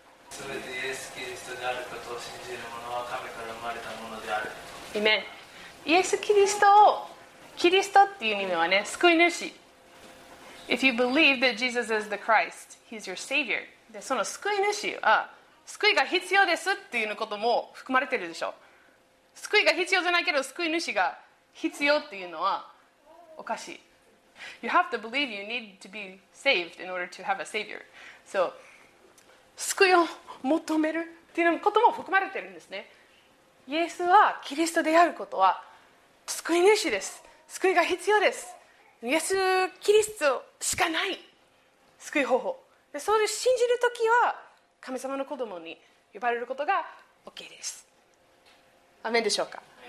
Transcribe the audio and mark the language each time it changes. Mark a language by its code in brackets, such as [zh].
[ja] 全てイエス・キリストであることを信じる者は神から生まれたものである。 [en] Amen。 [ja] イエス・キリストを、キリストっていう意味はね、救い主。 [en] If you believe that Jesus is the Christ, he's your savior. [ja] で、その救い主は、救いが必要ですっていうことも含まれてるでしょ。救いが必要じゃないけど、救い主が必要っていうのはおかしい。 [en] You have to believe you need to be saved in order to have a savior. [ja] So, 救いを求めるっていうことも含まれてるんですね。イエスはキリストであることは、救い主です。救いが必要です。イエス・キリストしかない救い方法で、それを信じるときは神様の子供に呼ばれることが OK です。アメンでしょうか。